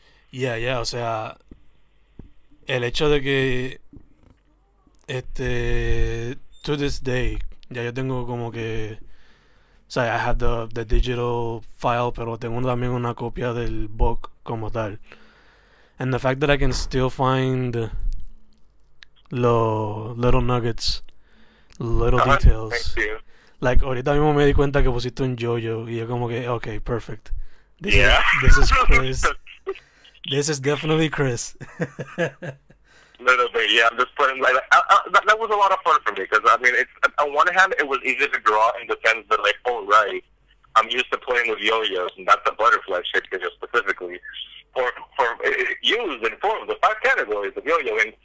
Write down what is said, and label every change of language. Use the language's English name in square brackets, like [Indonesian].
[Spanish] Yeah, yeah, o sea, el hecho de que, [English] to this day, [Spanish] ya yo tengo como que, o sea, [English] I have the digital file, [Spanish] pero tengo también una copia del book como tal. [English] And the fact that I can still find lo little nuggets, little details. Thank you. [Spanish] Like, ahorita mismo me di cuenta que pusiste un yo-yo, y yo como que, okay, perfect. [English] This is Chris. This is definitely Chris. Little bit, yeah. I'm just putting like that was a lot of fun for me because I mean, it's on one hand, it was easy to draw in the sense that, like, oh, right, I'm used to playing with yo-yos and that's a butterfly shape, you know, specifically for used in four of the five categories of yo-yo.